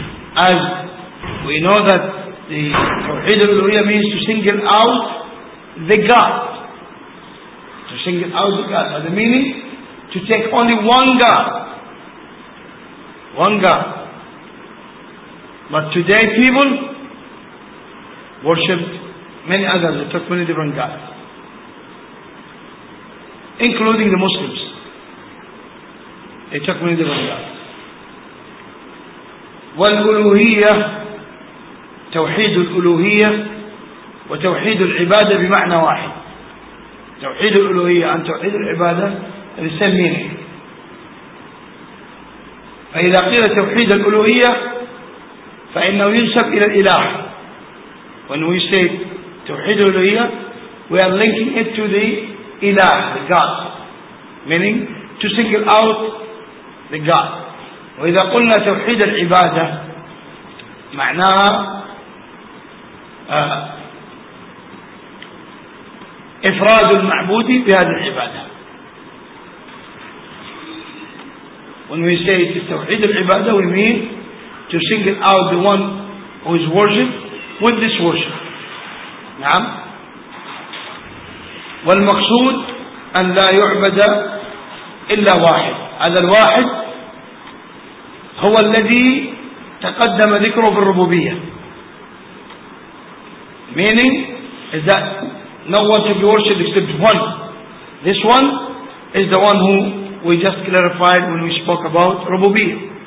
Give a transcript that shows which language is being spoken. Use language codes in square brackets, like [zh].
[en] As we know that the Tawheed al-Uluhiyya means to single out the God, to single out the God, the meaning to take only one God, one God. But today people worshipped many others, they took many different gods, including the Muslims, they took many different gods. [ar] والألوهية, توحيد الألوهية وتوحيد العبادة بمعنى واحد. توحيد الألوهية أن توحيد العبادة, [en] the same meaning. [ar] فإذا قيل توحيد الألوهية فإنه ينسب إلى الإله. [en] When we say توحيد الألوهية, we are linking it to the إله, the God, meaning to single out the God. [ar] وإذا قلنا توحيد العبادة معناها إفراد المعبود بهذه العبادة. [en] When we say توحيد العبادة, we mean to single out the one who is worshipped with this worship. [ar] نعم. والمقصود أن لا يعبد إلا واحد. هذا الواحد هو الذي تقدم ذكره في الربوبية. [en] Meaning is that no one to be worshipped except one. This one is the one who we just clarified when we spoke about Rububiyyah.